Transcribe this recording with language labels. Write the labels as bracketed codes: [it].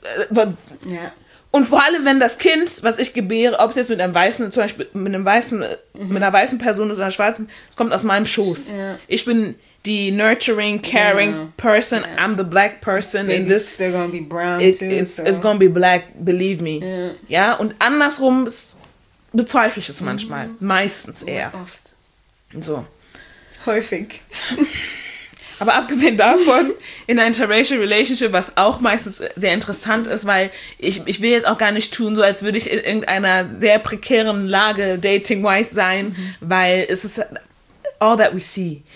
[de] danke. Und vor allem, wenn das Kind, was ich gebäre, ob es jetzt mit einem Weißen, zum Beispiel mit einem Weißen, mit einer weißen Person ist oder einer Schwarzen, es kommt aus meinem Schoß. Ja. Ich bin die [en] nurturing, caring person. Yeah. I'm the black person. Baby's in this. Still gonna be brown It's gonna be black, believe me. Yeah. [de] Ja, und andersrum bezweifle ich es manchmal. Mm-hmm. Meistens eher. Oft. So. Häufig. Aber abgesehen davon, in einer interracial relationship, was auch meistens sehr interessant ist, weil ich will jetzt auch gar nicht tun, so als würde ich in irgendeiner sehr prekären Lage dating-wise sein, weil es ist [en] all that we see.